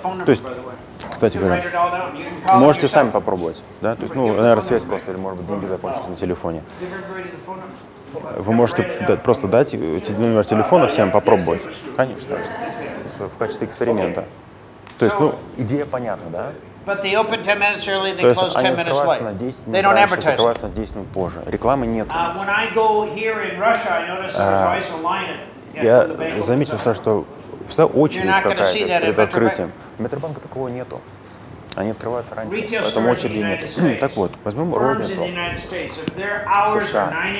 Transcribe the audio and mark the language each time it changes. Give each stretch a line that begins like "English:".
Russian: То есть, кстати говоря, можете сами попробовать, да? То есть, ну, наверное, связь просто, или, может быть, деньги закончились на телефоне. Вы можете просто дать номер телефона всем попробовать? Конечно, в качестве эксперимента. То есть, ну, идея понятна, да?
English: But they open 10 minutes early, they close 10 minutes late. They don't advertise.
Russian: То есть они открываются на 10 минут позже. Рекламы нет.
English: When I go here in Russia, I notice there's always a line.
Russian: Я заметил, что вся очередь какая-то перед открытием. В Метробанке такого нету. Они открываются раньше, поэтому очереди нет. Так вот, возьмем розницу в США.